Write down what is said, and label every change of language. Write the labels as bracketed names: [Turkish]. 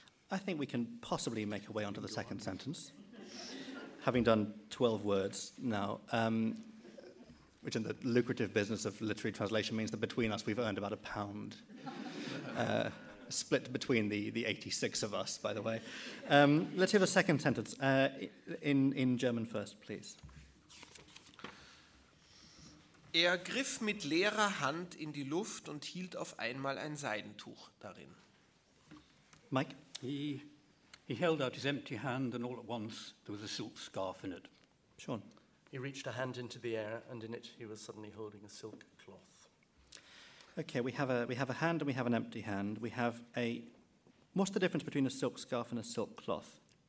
[English] I think we can possibly make our way onto the second sentence, having done 12 words now, which in the lucrative business of literary translation means that between us we've earned about £1, split between the 86 of us, by the way. Let's hear the second sentence in German first, please. [German] Er griff mit leerer Hand in die Luft und hielt auf einmal ein Seidentuch darin. [English] Mike? He held out his empty hand and all at once there was a silk scarf in it. Sean? He reached a hand into the air and in it he was suddenly holding a silk cloth. Okay, we have a hand and we have an empty hand. We have a... What's the difference between a silk scarf and a silk cloth?